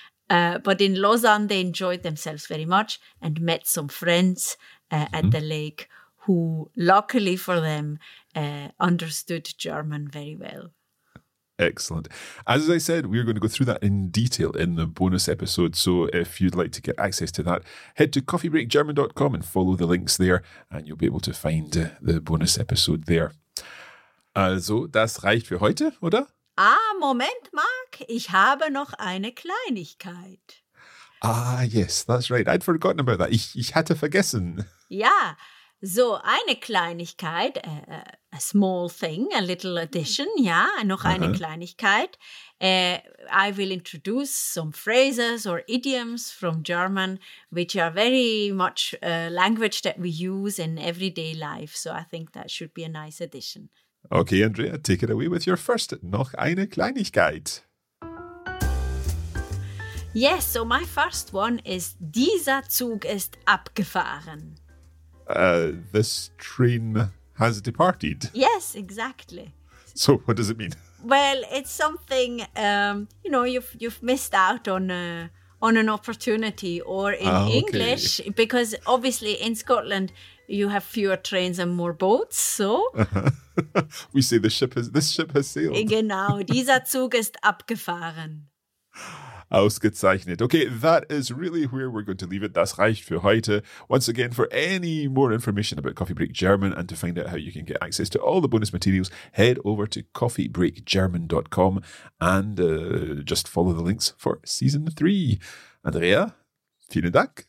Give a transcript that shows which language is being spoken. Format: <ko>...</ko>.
<en>But in Lausanne, they enjoyed themselves very much and met some friends at the lake who, luckily for them, understood German very well. Excellent. As I said, we're going to go through that in detail in the bonus episode. So if you'd like to get access to that, head to coffeebreakgerman.com and follow the links there and you'll be able to find the bonus episode there.</en> <de>Also, das reicht für heute, oder? Ah, Moment, Mark, ich habe noch eine Kleinigkeit.</de> <en>Ah, yes, that's right. I'd forgotten about that.</en> <de>Ich hatte vergessen. Ja, so eine Kleinigkeit,</de> <en>a small thing, a little addition,</en> <de>ja, noch eine Kleinigkeit.</de> <en>I will introduce some phrases or idioms from German, which are very much a language that we use in everyday life. So I think that should be a nice addition. Okay, Andrea, take it away with your first</en> <de>noch eine Kleinigkeit.</de> <en>Yes, so my first one is</en> <de>dieser Zug ist abgefahren.</de> <en>This train has departed. Yes, exactly. So what does it mean? Well, it's something, you know, you've missed out on an opportunity or in English, because obviously in Scotland, you have fewer trains and more boats, so. We say this ship has sailed.</en> <de>Genau, dieser Zug ist abgefahren. Ausgezeichnet.</de> <en>Okay, that is really where we're going to leave it.</en> <de>Das reicht für heute.</de> <en>Once again, for any more information about Coffee Break German and to find out how you can get access to all the bonus materials, head over to coffeebreakgerman.com and just follow the links for season 3. Andrea,</en> <de>vielen Dank.</de>